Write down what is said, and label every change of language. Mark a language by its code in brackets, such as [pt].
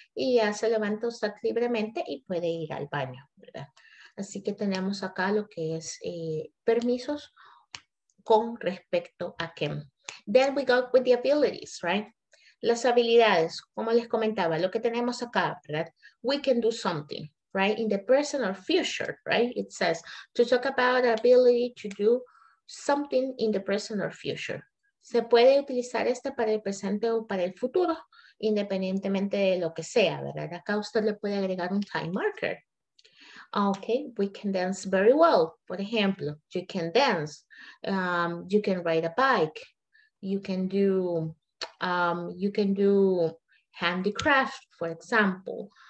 [es] Y ya se levanta usted libremente y puede ir al baño, ¿verdad? Así que tenemos acá lo que es permisos con respecto a Kim. [en] Then we go with the abilities, right? [es] Las habilidades, como les comentaba, lo que tenemos acá, ¿verdad? [en] We can do something, right? In the present or future, right? It says to talk about the ability to do something in the present or future. [es] Se puede utilizar este para el presente o para el futuro, independientemente de lo que sea, ¿verdad? Acá usted le puede agregar un time marker. [en] Ok, we can dance very well. [es] Por ejemplo, [en] you can dance. You can ride a bike. You can do handicraft, for example.